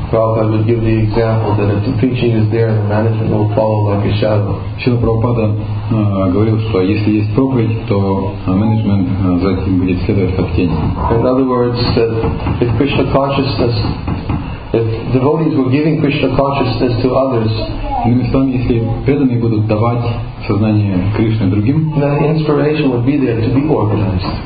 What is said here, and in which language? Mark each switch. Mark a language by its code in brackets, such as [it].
[en] Prabhupada would give the example that if the preaching is there, the management will follow like a shadow. [ru] Шрила Прабхупада говорил, что если есть проповедь, то менеджмент за этим будет следовать как тень. [en] In other words, that if Krishna consciousness, if devotees were giving Krishna consciousness to others, [ru] иными словами, если преданные будут давать сознание Кришны другим, [en] then inspiration would be there to be organized.